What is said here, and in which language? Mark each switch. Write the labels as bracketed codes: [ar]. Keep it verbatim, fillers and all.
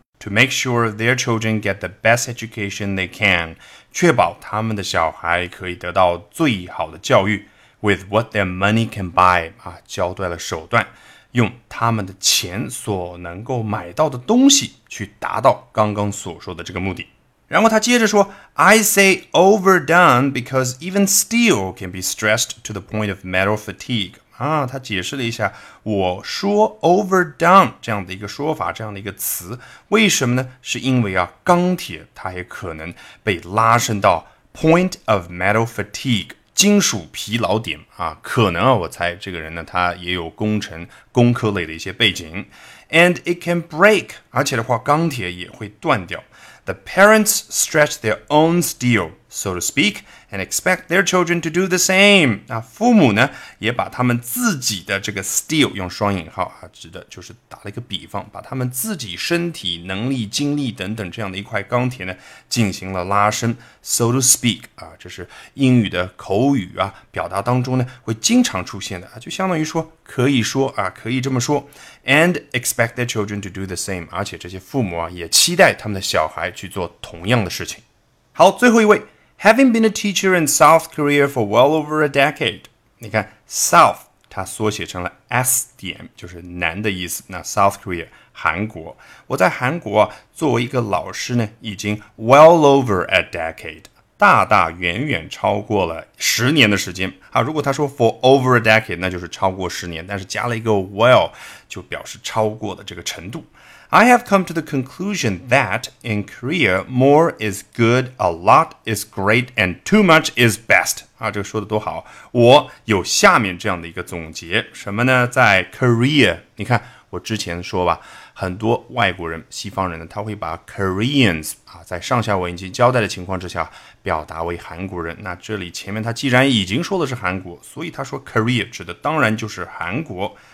[en] To make sure their children get the best education they can. [zh] 确保他们的小孩可以得到最好的教育。 [en] With what their money can buy. [zh] 啊，交代了手段，用他们的钱所能够买到的东西去达到刚刚所说的这个目的。然后他接着说 [en] I say overdone because even steel can be stressed to the point of metal fatigue. [zh] 啊，他解释了一下，我说 overdone 这样的一个说法，这样的一个词，为什么呢？是因为啊，钢铁它也可能被拉伸到 [en] point of metal fatigue [zh] 金属疲劳点啊，可能啊，我猜这个人呢，他也有工程、工科类的一些背景。 [en] And it can break， [zh] 而且的话，钢铁也会断掉。 [en] The parents stretch their own steel, so to speak, and expect their children to do the same. [zh] 啊，父母呢也把他们自己的这个 steel 用双引号啊，指的就是打了一个比方，把他们自己身体能力、精力等等这样的一块钢铁呢进行了拉伸。 [en] So to speak [zh] 啊，这是英语的口语啊表达当中呢会经常出现的啊，就相当于说可以说啊，可以这么说。 [en] And expect their children to do the same. [zh] 而且这些父母啊也期待他们的小孩去做同样的事情。好，最后一位 [en] Having been a teacher in South Korea for well over a decade. [zh] 你看 South 它缩写成了 S 点，就是南的意思。那 South Korea 韩国，我在韩国、啊、作为一个老师呢，已经 [en] well over a decade， [zh] 大大远远超过了十年的时间啊。如果他说 [en] for over a decade， [zh] 那就是超过十年，但是加了一个 well 就表示超过了这个程度。 [en] I have come to the conclusion that in Korea, more is good, a lot is great, and too much is best. [zh] 啊，这个说的多好！我有下面这样的一个总结，什么呢？在 Korea， 你看我之前说吧，很多外国人、西方人呢，他会把 Koreans 啊，在上下文已经交代的情况之下，表达为韩国人。那这里前面他既然已经说的是韩国，所以他说 Korea 指的当然就是韩国。